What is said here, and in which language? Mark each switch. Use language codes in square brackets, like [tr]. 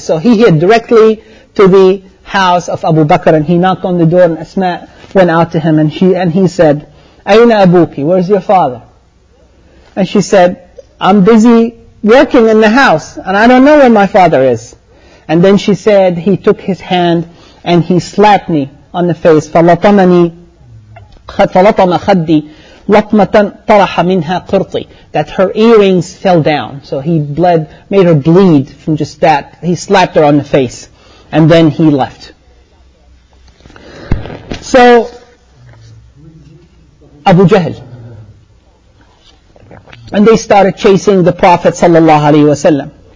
[en] So he hid directly to the house of Abu Bakr, and he knocked on the door, and Asma went out to him, and he said, [ar] Aina Abuki, [en] where's your father? And she said, I'm busy working in the house, and I don't know where my father is. And then she said, he took his hand and he slapped me on the face. [ar] فَلَطَمَ خَدِّي لَطْمَةً طَرَحَ مِنْهَا قِرْطِي, [en] that her earrings fell down. So he bled, made her bleed from just that. He slapped her on the face. And then he left. So, Abu Jahl. And they started chasing the Prophet sallallahu alaihi wasallam.